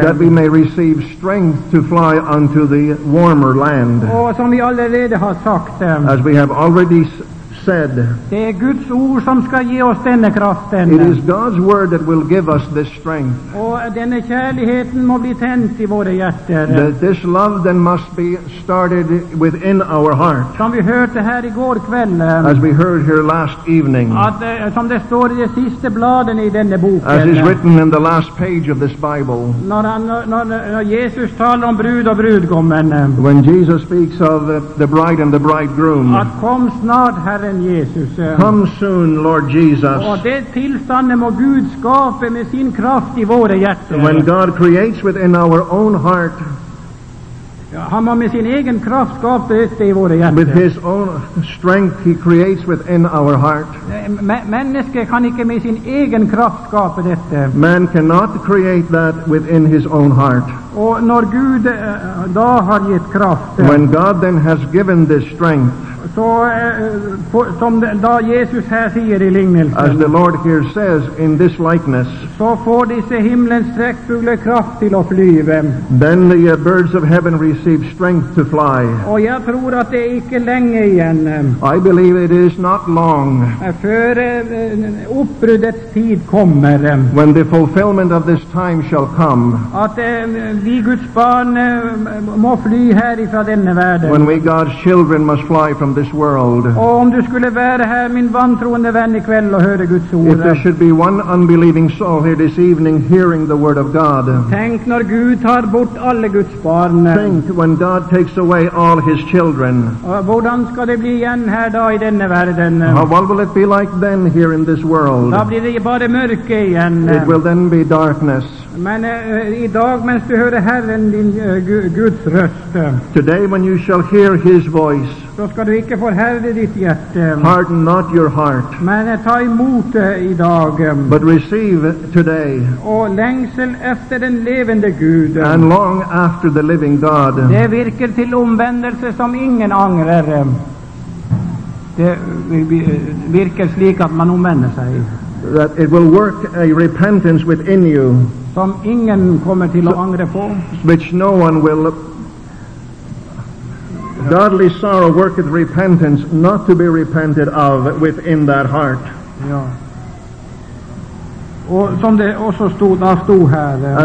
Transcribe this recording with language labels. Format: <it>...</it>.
<en>That we may receive strength to fly unto the warmer land.</en> <sv>Och som vi allerede har sagt,</sv> <en>as we have already said,</en> <sv>det är Guds ord som ska ge oss denna kraften.</sv> <en>It is God's word that will give us this strength.</en> <sv>Och denna kärligheten må bli tänt I våra hjärtan.</sv> <en>That this love then must be started within our heart.</en> <sv>Som vi hörde här igår kväll.</sv> <en>As we heard here last evening.</en> <sv>Att som det står I de sista bladen I denna boken.</sv> <en>As is written in the last page of this Bible.</en> <sv>När Jesus talar om brud och brudgummen.</sv> <en>When Jesus speaks of the bride and the bridegroom.</en> <sv>Att kom snart här.</sv> <en>Come soon, Lord Jesus.</en> <sv>Och det tillståndet må Gud skapa med sin kraft I våra hjärtan.</sv> <en>When God creates within our own heart.</en> <sv>Han må med sin egen kraft skapa det I våra hjärtan.</sv> <en>With his own strength he creates within our heart.</en> <sv>Människa kan inte med sin egen kraft skapa detta.</sv> <en>Man cannot create that within his own heart.</en> <sv>Och när Gud då har gett kraft.</sv> <en>When God then has given this strength.</en> <sv>Så som då Jesus här säger I liknelsen.</sv> <en>As the Lord here says in this likeness.</en> <sv>Så får dessa himlens sträckfuglar kraft till att flyva.</sv> <en>Then the birds of heaven receive strength to fly.</en> <sv>Och jag tror att det icke länge igen.</sv> <en>I believe it is not long.</en> <sv>För uppbrudets tid kommer.</sv> <en>When the fulfillment of this time shall come.</en> <sv>Att vi Guds barn må fly här ifrån denna världen.</sv> <en>When we God's children must fly from this world.</en> <sv>Och om du skulle vara här min vantroende vän ikväll och höra Guds ord.</sv> <en>If there should be one unbelieving soul here this evening hearing the word of God.</en> <sv>Tänk när Gud tar bort alla Guds barn.</sv> <en>Think when God takes away all his children.</en> <sv>Hvordan ska det bli igen här då I denna världen?</sv> <en>What will it be like then here in this world?</en> <sv>Då blir det bara mörker igen.</sv> <en>It will then be darkness.</en> <sv>Men idag medan du hör Herren din Guds röst.</sv> <en>Today when you shall hear his voice.</en> <sv>Så ska du icke förhärda ditt hjärta.</sv> <en>Harden not your heart.</en> <sv>Men ta emot idag.</sv> <en>But receive today.</en> <sv>Och längsel efter den levande Gud.</sv> <en>And long after the living God.</en> <sv>Det virker till omvändelse som ingen ångrar. Det virker slik att man omvänder sig.</sv> <en>That it will work a repentance within you.</en> <sv>Som ingen kommer till att ångra på.</sv> <en>Which no one will. Godly sorrow worketh repentance, not to be repented of within that heart.</en> <sv>Ja. Och som det också stod, där stod här.</sv>